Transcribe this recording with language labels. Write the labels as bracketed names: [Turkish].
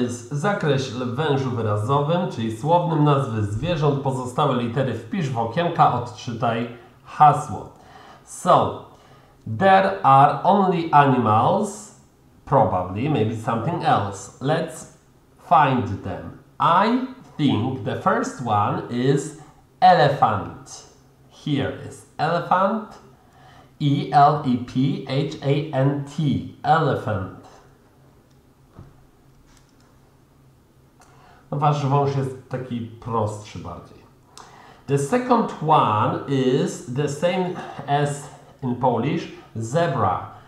[Polish] Zakreśl w wężu wyrazowym, czyli słownym, nazwy zwierząt, pozostałe litery wpisz w okienka, odczytaj hasło. [English] So, there are only animals, probably, maybe something else. Let's find them. I think the first one is elephant. Here is elephant. E-L-E-P-H-A-N-T. Elephant. [Polish] No, wasz wąż jest taki prostszy bardziej. [English] The second one is the same as in Polish, zebra.